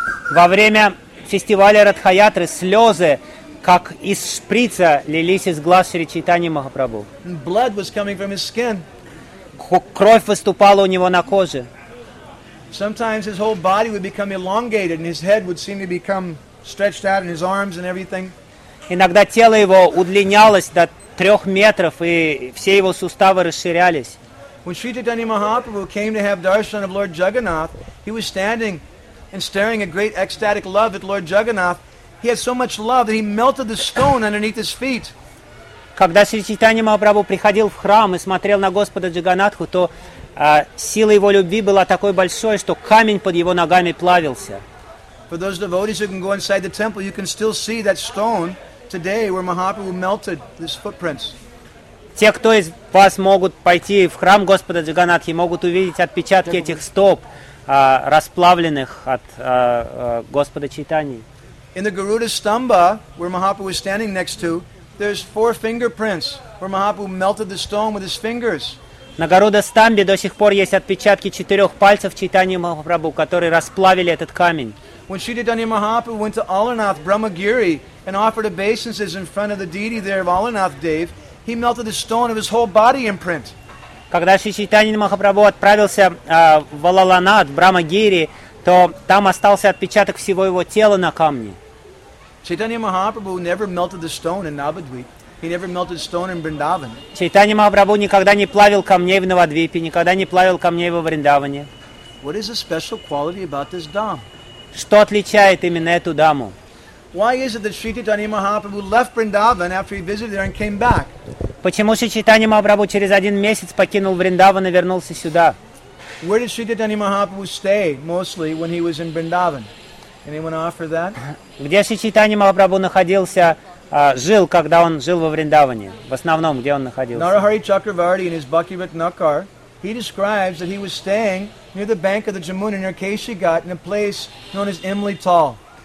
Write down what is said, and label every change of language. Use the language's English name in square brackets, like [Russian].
[Russian] Во время фестиваля Радхаятры слезы, как из шприца, лились из глаз Шри Чайтаньи Махапрабху. [English] And blood was coming from his skin. [Russian] Кровь выступала у него на коже. [English] Sometimes his whole body would become elongated and his head would seem to become stretched out in his arms and everything. [Russian] Иногда тело его удлинялось до 3 метров, и все его суставы расширялись. [English] When Sri Chaitanya Mahaprabhu came to have darshan of Lord Jagannath, he was standing and staring a great ecstatic love at Lord Jagannath. He had so much love that he melted the stone underneath his feet. [Russian] Когда Шри Чайтанья Махапрабху приходил в храм и смотрел на Господа Джаганнатху, то сила его любви была такой большой, что камень под его ногами плавился. [English] For those devotees who can go inside the temple, you can still see that stone today where Mahaprabhu melted his footprints. [Russian] Те, кто из вас могут пойти в храм Господа Джаганнатхи, могут увидеть отпечатки этих стоп, расплавленных от Господа Чайтаньи. [English] In the Garuda Stamba, where Mahaprabhu was standing next to, there's 4 fingerprints where Mahaprabhu melted the stone with his fingers. [Russian] На Гаруда Стамбе до сих пор есть отпечатки 4 пальцев Чайтаньи Махапрабху, которые расплавили этот камень. [English] When Sri Chaitanya Mahaprabhu went to Alarnath Brahmagiri and offered obeisances in front of the deity there of Alarnath Dev, he melted the stone of his whole body imprint. [Russian] Когда Шри Чайтанья Махапрабху отправился в Алаланат, Брахмагири, то там остался отпечаток всего его тела на камне. [English] Chaitanya Mahaprabhu never melted the stone in Navadvip. He never melted stone in Vrindavan. [Russian] Chaitanya Mahaprabhu никогда не плавил камней в Навадвипе, никогда не плавил камней во Вриндаване. [English] What is the special quality about this dam? [Russian] Что отличает именно эту даму? [English] Why is it that Sri Chaitanya Mahaprabhu left Vrindavan after he visited there and came back? [Russian] Почему Шри Чайтанья Махапрабху через один месяц покинул Вриндаван и вернулся сюда? [English] Where did Sri Chaitanya Mahaprabhu stay mostly when he was in Vrindavan? Anyone offer that? [Russian] Где Шри Чайтанья Махапрабху находился, жил, когда он жил во Вриндаване? В основном, где он находился? [English] Narahari Chakravarti in his Bhakti Ratnakar, he describes that he was staying near the bank of the Jamuna near Keshigat in a place known as Imli Tal.